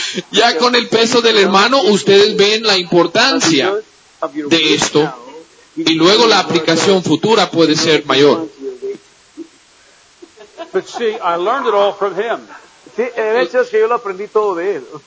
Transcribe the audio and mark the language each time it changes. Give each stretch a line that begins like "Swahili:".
Spanish: Ya con el peso del hermano, ustedes ven la importancia de esto. Y luego la aplicación futura puede ser mayor.
English: But see, I learned it all from him.
Spanish: Sí, el hecho es que yo lo aprendí todo de él.